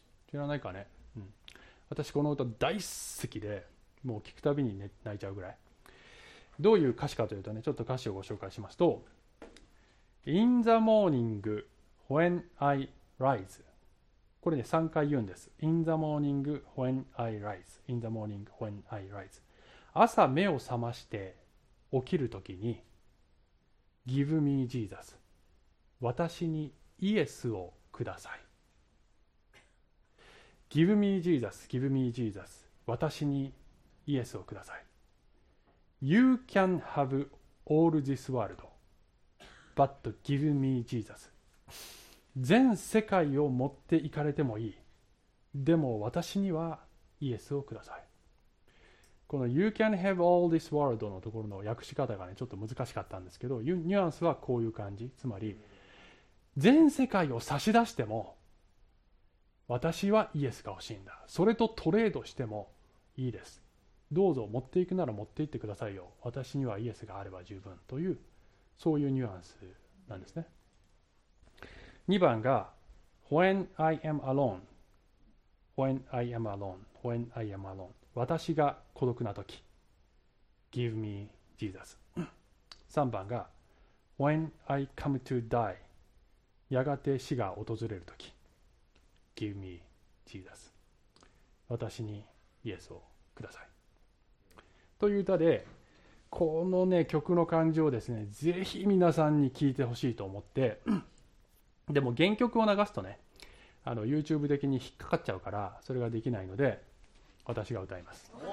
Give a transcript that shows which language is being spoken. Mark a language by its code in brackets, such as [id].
[ja] 知らないかね、うん、私この歌大好きで、もう聴くたびに、ね、泣いちゃうぐらい。どういう歌詞かというとね、ちょっと歌詞をご紹介しますと、 [en] In the morning when I rise、 [ja] これね3回言うんです。 [en] In the morning when I rise、 In the morning when I rise、 [ja] 朝目を覚まして起きるときに、 [en] Give me Jesus、 [ja] 私にイエスをください。 [en] Give me Jesus、 Give me Jesus、 [ja] 私にイエスをください。 [en] You can have all this world、 But give me Jesus。 [ja] 全世界を持っていかれてもいい、でも私にはイエスをください。この [en] You can have all this world [ja] のところの訳し方がね、ちょっと難しかったんですけど、ニュアンスはこういう感じ。つまり全世界を差し出しても私はイエスが欲しいんだ、それとトレードしてもいいです、どうぞ持っていくなら持っていってくださいよ、私にはイエスがあれば十分という、そういうニュアンスなんですね。 [en] 2番が When I am alone、 When I am alone、 When I am alone、 [ja] 私が孤独な時、 [en] Give me Jesus。 [ja] 3番が [en] When I come to die、 [ja] やがて死が訪れる時、 [en] Give me Jesus、 [ja] 私にイエスをください。という歌で、このね曲の感じをですねぜひ皆さんに聞いてほしいと思って、でも原曲を流すとね、あの YouTube 的に引っかかっちゃうからそれができないので私が歌います。